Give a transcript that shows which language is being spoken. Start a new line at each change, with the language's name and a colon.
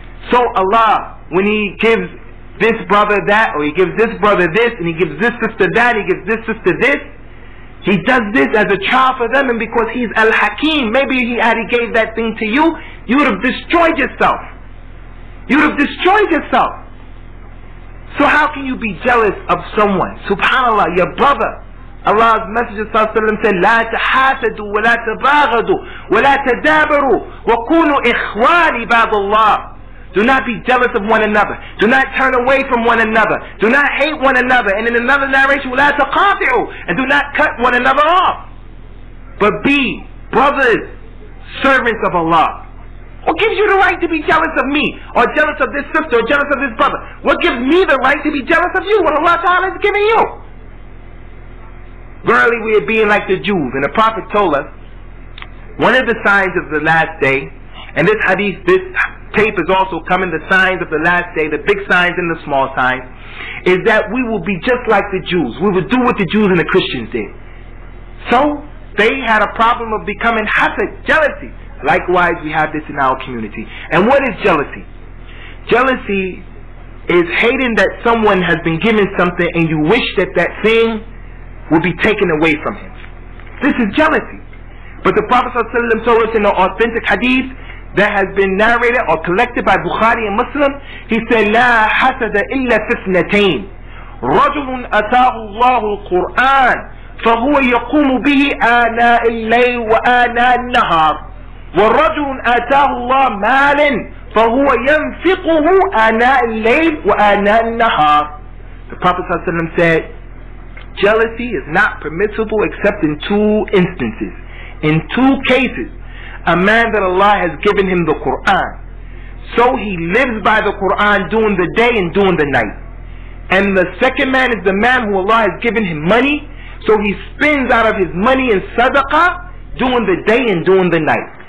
English: So Allah, when He gives this brother that, or He gives this brother this, and He gives this sister that, He gives this sister this, He does this as a child for them, and because He's Al-Hakim, maybe He gave that thing to you, you would have destroyed yourself. You would have destroyed yourself. So how can you be jealous of someone? Subhanallah, your brother,
Arabic: Allah's Messenger sallallahu alayhi wa sallam said, لا تحاسدوا ولا تباغضوا ولا تدابروا وكونوا إخوان عباد الله.
English: Do not be jealous of one another. Do not turn away from one another. Do not hate one another. And in another narration, ولا تقاطعوا. And do not cut one another off. But be brothers, servants of Allah. What gives you the right to be jealous of me? Or jealous of this sister? Or jealous of this brother? What gives me the right to be jealous of you when Allah Ta'ala has given you? Verily, we are being like the Jews. And the Prophet told us, one of the signs of the last day, and this hadith, this tape is also coming, the signs of the last day, the big signs and the small signs, is that we will be just like the Jews. We will do what the Jews and the Christians did. So, they had a problem of becoming hasad, jealousy. Likewise, we have this in our community. And what is jealousy? Jealousy is hating that someone has been given something and you wish that that thing will be taken away from him. This is jealousy.
Arabic: But the Prophet ﷺ told us in the authentic hadith that has been narrated or collected by Bukhari and Muslim, he said, لا حسد إلا فثنتين رجل أتاه الله القرآن فهو يقوم به آناء الليل وآناء النهار والرجل آتاه الله مالا فهو ينفقه آناء الليل وآناء النهار.
English: The Prophet ﷺ said, jealousy is not permissible except in two instances. In two cases, a man that Allah has given him the Qur'an, so he lives by the Qur'an during the day and during the night. And the second man is the man who Allah has given him money, so he spends out of his money in sadaqah during the day and during the night.